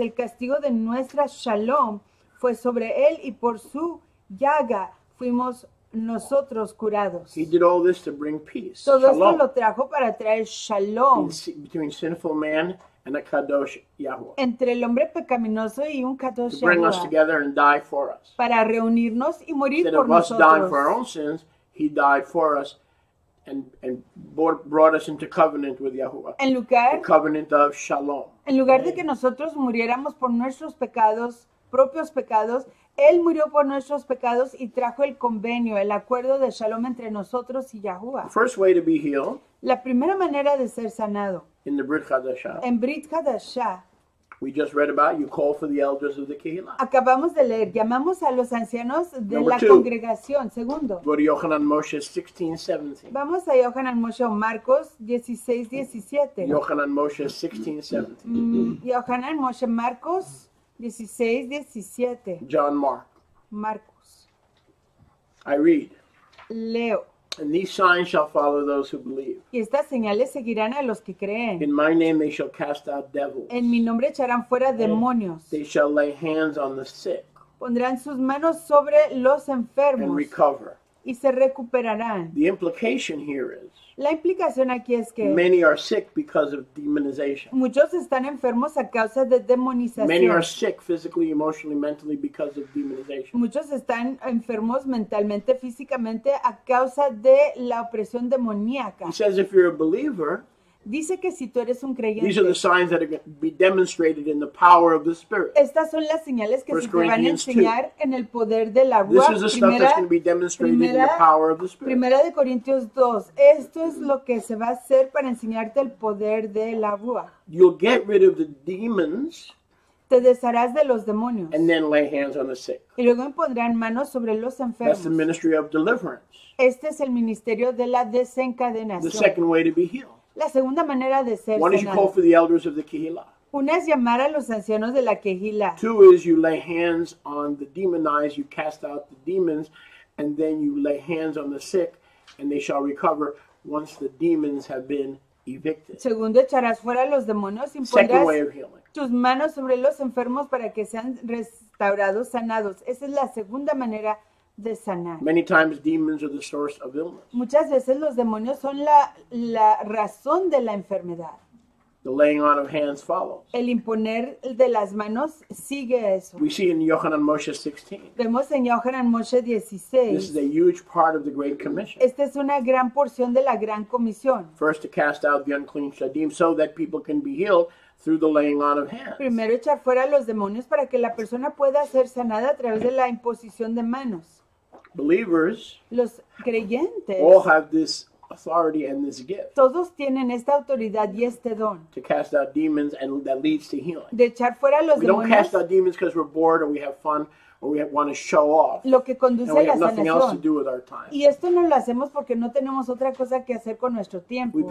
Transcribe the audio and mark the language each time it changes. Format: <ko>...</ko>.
<es>El castigo de nuestra shalom fue sobre él y por su llaga fuimos nosotros curados.</es> <en>He did all this to bring peace.</en> <es>Todo shalom. Esto lo trajo para traer shalom.</es> <en>Between sinful man and a kadosh Yahuwah.</en> <es>Entre el hombre pecaminoso y un kadosh Yahuwah.</es> <en>To bring us together and die for us.</en> <es>Para reunirnos y morir</es> <en>Instead</en> <es>por</es> <en>of</en> <es>nosotros.</es> <en>Us dying for our own sins, He died for us and brought us into covenant with Yahuwah.</en> <es>En lugar,</es> <en>the covenant of shalom.</en> <es>En lugar de que nosotros muriéramos por nuestros pecados, propios pecados. Él murió por nuestros pecados y trajo el convenio, el acuerdo de shalom entre nosotros y Yahuwah.</es> <en>First way to be healed.</en> <es>La primera manera de ser sanado.</es> <en>In the Brit Hadashah.</en> <es>En Brit Hadashah.</es> <en>We just read about you call for the elders of the Kehillah.</en> <es>Acabamos de leer, llamamos a los ancianos de la congregación. Segundo.</es> <en>Go to Yohanan Moshe 16:17.</en> <es>Vamos a Yohanan Moshe o Marcos 16:17.</es> <en>Yohanan Moshe 16:17.</en> <es>Yohanan Moshe Marcos 16:17.</es> <en>John Mark.</en> <es>Marcos.</es> <en>I read.</en> <es>Leo.</es> <en>And these signs shall follow those who believe.</en> <es>Y estas señales seguirán a los que creen.</es> <en>In my name they shall cast out devils.</en> <es>En mi nombre echarán fuera demonios.</es> <en>They shall lay hands on the sick.</en> <es>Pondrán sus manos sobre los enfermos.</es> <en>And recover.</en> <es>Y se recuperarán.</es> <en>The implication here is.</en> <es>La implicación aquí es que.</es> <en>Many are sick because of demonization.</en> <es>Muchos están enfermos a causa de demonización.</es> <en>Many are sick physically, emotionally, mentally because of demonization.</en> <es>Muchos están enfermos mentalmente, físicamente a causa de la opresión demoníaca.</es> <en>He says if you're a believer.</en> <es>Dice que si tú eres un creyente.</es> <en>These are the signs that are going to be demonstrated in the power of the Spirit.</en> <es>Estas son las señales que se van a enseñar 2. En el poder de la Ruach.</es> <en>This is the stuff that's going to be demonstrated in the power of the Spirit.</en> <es>Primera de Corintios 2. Esto es lo que se va a hacer para enseñarte el poder de la Ruach.</es> <en>You'll get rid of the demons.</en> <es>Te desharás de los demonios.</es> <en>And then lay hands on the sick.</en> <es>Y luego pondrán manos sobre los enfermos.</es> <en>That's the ministry of deliverance.</en> <es>Este es el ministerio de la desencadenación.</es> <en>The second way to be healed.</en> <es>La segunda manera de ser sanado.</es> <en>One is you call for the elders of the Kehillah.</en> <es>Una es llamar a los ancianos de la Kehillah.</es> <en>Two is you lay hands on the demonized, you cast out the demons, and then you lay hands on the sick, and they shall recover once the demons have been evicted.</en> <es>Segundo, echarás fuera a los demonios y pondrás tus manos sobre los enfermos para que sean restaurados, sanados. Esa es la segunda manera de sanar.</es> <en>Many times demons are the source of illness.</en> <es>Muchas veces los demonios son la razón de la enfermedad.</es> <en>The laying on of hands follows.</en> <es>El imponer de las manos sigue eso.</es> <en>We see in Yohanan Moshe 16.</en> <es>Vemos en Yohanan Moshe 16.</es> <en>This is a huge part of the Great Commission.</en> <es>Esta es una gran porción de la Gran Comisión.</es> <en>First to cast out the unclean shadim so that people can be healed. Through the laying on of hands.</en> <es>Primero echar fuera los demonios para que la persona pueda ser sanada a través de la imposición de manos.</es> <en>Believers,</en> <es>los creyentes,</es> <en>all have this authority and this gift.</en> <es>Todos tienen esta autoridad y este don.</es> <en>To cast out demons and that leads to healing.</en> <es>De echar fuera los</es> <en>we</en> <es>demonios.</es> <en>We don't cast out demons because we're bored or we have fun. Or we want to show off.</en> <es>Lo que conduce</es> <en>and we have</en> <es>a la</es> <en>nothing</en> <es>sanación.</es> <en>Else to do with our time.</en> <es>Y esto no lo hacemos porque no tenemos otra cosa que hacer con nuestro tiempo.</es>